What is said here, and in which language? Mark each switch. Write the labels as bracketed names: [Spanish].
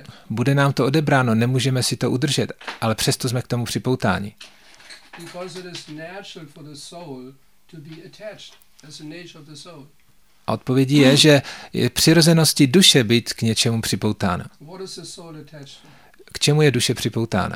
[Czech] Bude nám to odebráno, nemůžeme si to udržet, ale přesto jsme k tomu připoutáni. [English] Because it is natural for the soul to be attached, as the nature of the soul. [Czech] A odpovědí je, že je přirozeností duše být k něčemu připoutána. [English] What is the soul attached to? [Czech] K čemu je duše připoutána?